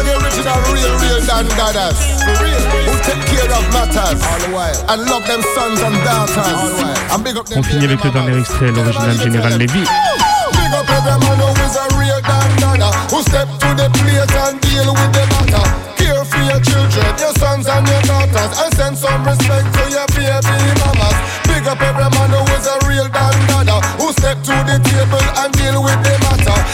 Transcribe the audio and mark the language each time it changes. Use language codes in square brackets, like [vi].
[en] Dadas, who take care of matters, and love them sons and daughters. And big up them. [fr] On finit avec le dernier extrait, l'original général Levy. [en] Big up every man who is a real dada, who step to the plate and deal with the matter. Care for your children, your sons and your daughters, and send some respect to your baby mamas. Big up every man who is a real dada, who step to the table and deal with the matter.